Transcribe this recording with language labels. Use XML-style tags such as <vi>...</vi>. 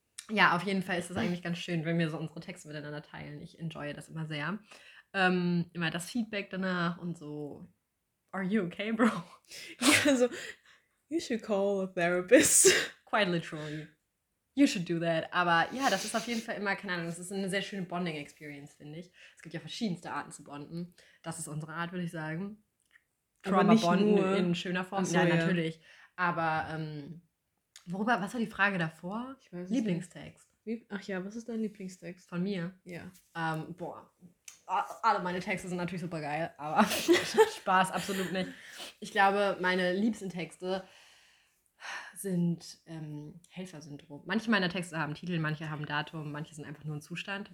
<de>Ja, auf jeden Fall ist es eigentlich ganz schön, wenn wir so unsere Texte miteinander teilen. Ich enjoy das immer sehr. Immer das Feedback danach und so.</de> <en>Are you okay, bro?</en> <de>Ja, so.</de> <en>You should call a therapist. Quite literally. You should do that.</en> <de>Aber ja, das ist auf jeden Fall immer, keine Ahnung, das ist eine sehr schöne Bonding-Experience, finde ich. Es gibt ja verschiedenste Arten zu bonden. Das ist unsere Art, würde ich sagen. Trauma-Bonden in schöner Form. Ach so, ja, natürlich. Aber was war die Frage davor? Ich weiß nicht. Lieblingstext. Ach ja, was ist dein Lieblingstext? Von mir? Ja. Boah. Alle meine Texte sind natürlich super geil, aber Spaß, absolut nicht. Ich glaube, meine liebsten Texte sind Helfersyndrom. Manche meiner Texte haben Titel, manche haben Datum, manche sind einfach nur ein Zustand.</de>